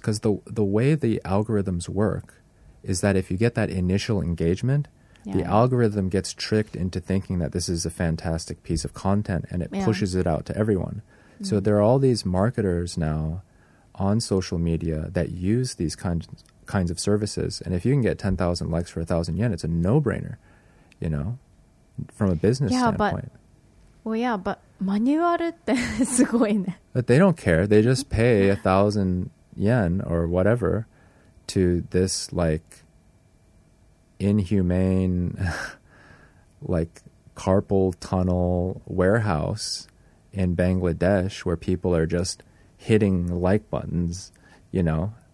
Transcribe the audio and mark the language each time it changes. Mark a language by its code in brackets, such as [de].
[en] Because the way the algorithms work is that if you get that initial engagement, the algorithm gets tricked into thinking that this is a fantastic piece of content and it pushes it out to everyone. Mm-hmm. So there are all these marketers now on social media that use these kinds of services. And if you can get 10,000 likes for 1,000 yen, it's a no-brainer, you know, from a business standpoint. But... [ja] マニュアルってすごいね。 [en] But they don't care. They just pay 1,000 yen or whatever to this like inhumane like carpal tunnel warehouse in Bangladesh where people are just hitting like buttons, you know?